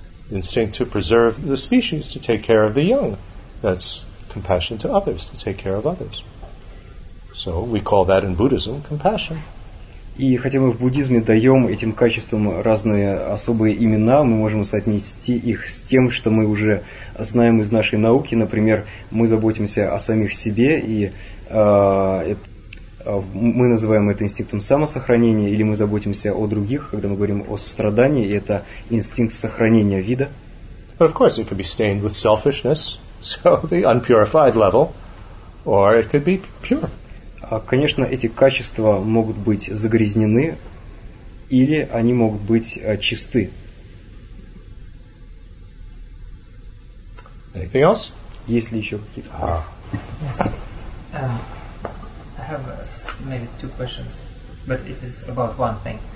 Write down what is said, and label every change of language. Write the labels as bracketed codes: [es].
[en] Instinct to preserve the species, to take care of the young. That's compassion to others, to take care of others. So we call that in Buddhism compassion. [ru] И хотя мы в буддизме даем этим качествам разные особые имена, мы можем соотнести их с тем, что мы уже знаем из нашей науки. Например, мы заботимся о самих себе, и мы называем это инстинктом самосохранения, или мы заботимся о других, когда мы говорим о сострадании, и это инстинкт сохранения вида. [en] But of course, it could be stained with selfishness, so the unpurified level, or it could be pure. [ru] Конечно, эти качества могут быть загрязнены, или они могут быть чисты. [en] Anything else? [ru] Есть ли еще какие-то вопросы? [en] Yes. I have maybe two questions, but it is about one thing.